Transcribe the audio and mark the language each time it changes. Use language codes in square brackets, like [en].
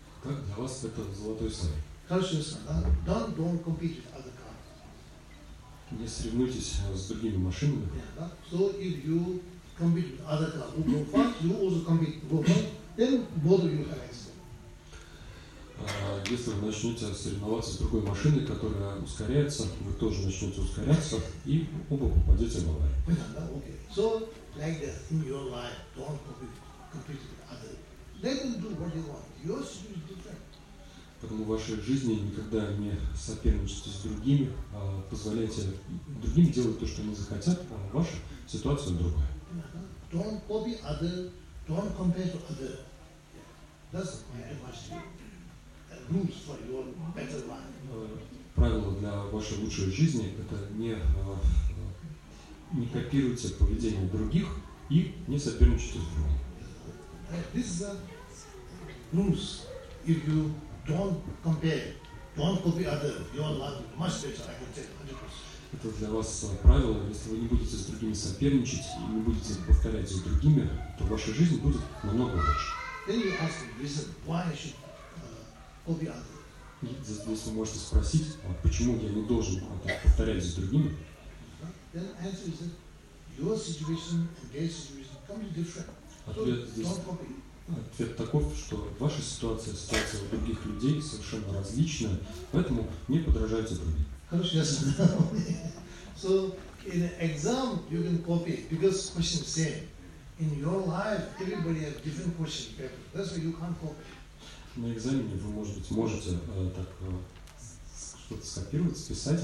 [ru] Так, для вас это золотой совет. Конечно, да? [en] Don't compete with other cars. [ru] Не соревнуйтесь с другими машинами. [en] Yeah, [ru] да? [en] So if you compete with other cars, who go fast, you also compete who go fast, then both of you have accident. [ru] Если вы начнете соревноваться с другой машиной, которая ускоряется, вы тоже начнете ускоряться, и оба попадете в аварию. Да? [en] Okay. So, like that, in your life, don't compete with other cars. Let them do what they want. Yours is different. [ru] Поэтому в вашей жизни никогда не соперничайте с другими, а позволяйте другим делать то, что они захотят, а ваша ситуация другая. [en] Uh-huh. Don't copy other, don't compare to other. That's very much rules for your better life. [ru] Правило для вашей лучшей жизни – это не копируйте поведение других и не соперничайте с другими. [en] This is a rules. If you don't compare, don't copy other, your life is much better, I can tell you. [ru] Это для вас правило. Если вы не будете с другими соперничать и не будете повторять за другими, то ваша жизнь будет намного лучше. [en] Then you ask the reason why I should copy other. [ru] Здесь вы можете спросить, почему я не должен повторять за другими. [en] Then the answer is that your situation and their situation completely different. [ru] Ответ таков, что ваша ситуация у других людей совершенно различная, поэтому не подражайте другим. Хорошо, я сказал. [en] So, in an exam you can copy, because question is same. In your life, everybody has different question paper. That's why you can't copy. [ru] На экзамене вы, может быть, можете так что-то скопировать, списать.